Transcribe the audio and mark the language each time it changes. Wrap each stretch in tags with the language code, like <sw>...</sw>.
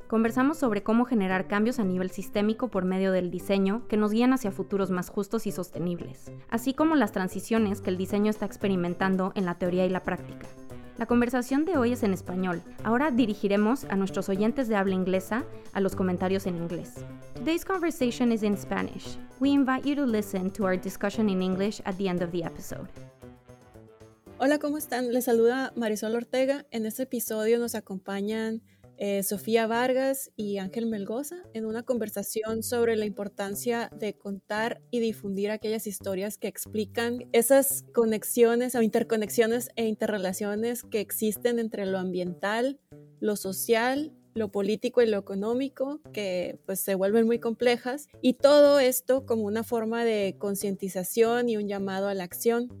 <es>Conversamos sobre cómo generar cambios a nivel sistémico por medio del diseño que nos guían hacia futuros más justos y sostenibles, así como las transiciones que el diseño está experimentando en la teoría y la práctica. La conversación de hoy es en español. Ahora dirigiremos a nuestros oyentes de habla inglesa a los comentarios en inglés.</es> <en>Today's conversation is in Spanish. We invite you to listen to our discussion in English at the end of the episode.</en> <es>Hola, ¿cómo están? Les saluda Marisol Ortega. En este episodio nos acompañan Sofía Vargas y Ángel Melgoza en una conversación sobre la importancia de contar y difundir aquellas historias que explican esas conexiones o interconexiones e interrelaciones que existen entre lo ambiental, lo social, lo político y lo económico, que pues se vuelven muy complejas, y todo esto como una forma de concientización y un llamado a la acción.</es>